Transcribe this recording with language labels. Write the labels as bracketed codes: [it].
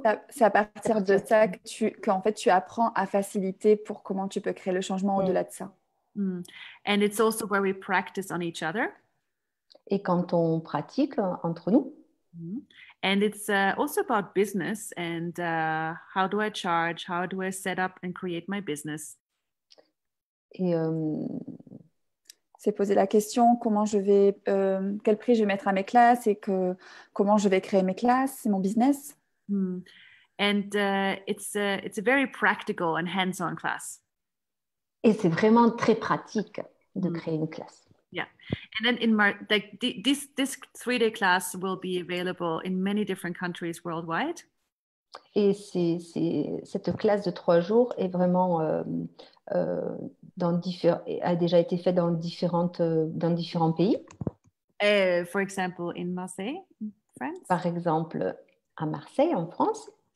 [fr] C'est à partir de ça que tu apprends à faciliter pour comment tu peux créer le changement au-delà de ça. [en] And it's also where we practice on each other. [fr] Et quand on pratique entre nous. [en] And it's also about business and how do I charge, how do I set up and create my business. [fr] Et s'est posé la question comment je vais, quel prix je vais mettre à mes classes et que, comment je vais créer mes classes, c'est mon business. [en] And it's a very practical and hands-on class. [fr] Et c'est vraiment très pratique de créer une classe. [en] Yeah, and then in March, this 3-day class will be available in many different countries worldwide. [fr] Et c'est cette classe de 3 jours est vraiment a déjà été faite dans différents pays. [en] For example, in Marseille, France. [fr] Par exemple, à Marseille, en France.